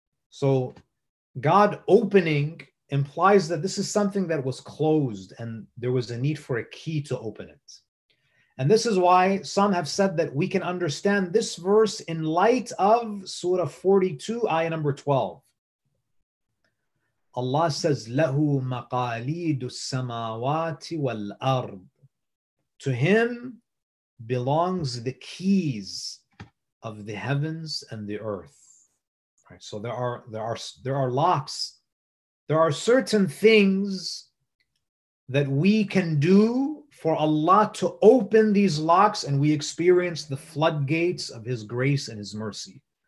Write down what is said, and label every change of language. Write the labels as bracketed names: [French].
[English] So God opening implies that this is something that was closed and there was a need for a key to open it. And this is why some have said that we can understand this verse in light of Surah 42, ayah number 12. Allah says, [Arabic] لَهُ مَقَالِيدُ السَّمَاوَاتِ وَالْأَرْضِ. [English] To him belongs the keys of the heavens and the earth. Right, so there are locks. There are certain things that we can do for Allah to open these locks and we experience the floodgates of his grace and his mercy.